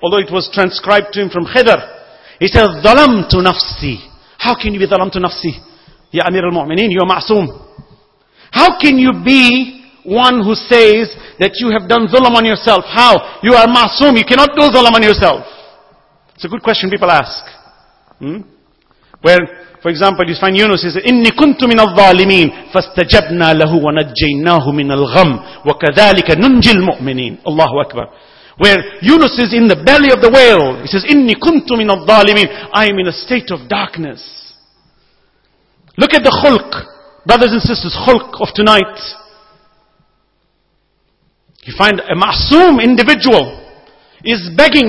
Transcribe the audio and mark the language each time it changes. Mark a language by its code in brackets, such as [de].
[en] Although it was transcribed to him from Khidr. He said, Dhalam to nafsi. How can you be dhalam to nafsi? Ya Amir al-Mu'mineen, you are ma'soom. How can you be one who says that you have done zulam on yourself? How? You are ma'soom. You cannot do zulam on yourself. It's a good question people ask. Where, for example, you find Yunus, he says, [ar] إِنِّي كُنْتُ مِنَ الظَّالِمِينَ فَاسْتَجَبْنَا لَهُ وَنَجَّيْنَاهُ مِنَ الْغَمْ وَكَذَلِكَ نُنْجِي الْمُؤْمِنِينَ. Allahu Akbar. [en] Where Yunus is in the belly of the whale. He says, [ar] إِنِّي كُنْتُ مِنَ الظَّالِمِينَ. [en] I am in a state of darkness. Look at the khulq, brothers and sisters, khulq of tonight. You find a ma'soom individual is begging.